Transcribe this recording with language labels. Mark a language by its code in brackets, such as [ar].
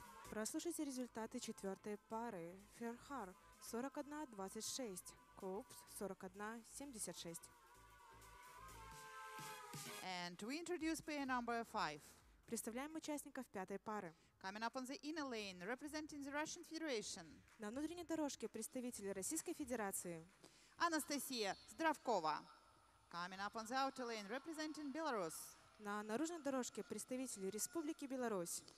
[ru] Прослушайте результаты четвертой пары. Ферхар 41-26. Копс 41-76. [en] And we introduce pair number five. [ru] Представляем участников пятой пары. [en] Coming up on the inner lane, representing the Russian Federation. [ru] На внутренней дорожке представитель Российской Федерации. [en] Анастасия Здравкова. Coming up on the outer lane, representing Belarus. [ru] На наружной дорожке представитель Республики Беларусь.